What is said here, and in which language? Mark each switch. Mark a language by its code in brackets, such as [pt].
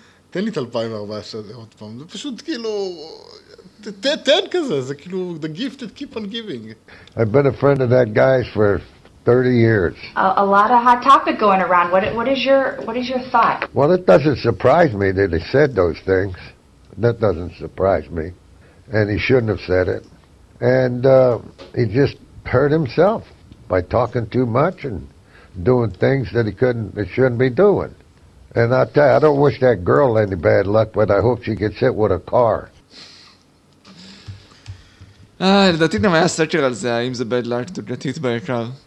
[he] תן לי את 2014 עוד פעם. זה פשוט כאילו... תן כזה, זה כאילו... [en] The gift that keep on giving. I've been a friend of that guy's for 30 years. A lot of hot topic going around. What is your thought? Well, it doesn't surprise me that he said those things. That doesn't surprise me. And he shouldn't have said it. And he just hurt himself by talking too much and... doing things that he shouldn't be doing. And I tell you, I don't wish that girl any bad luck, but I hope she gets hit with a car. [he] לדעתי גם היה סקר על זה, האם זה bad luck, תוגעתית בעיקר.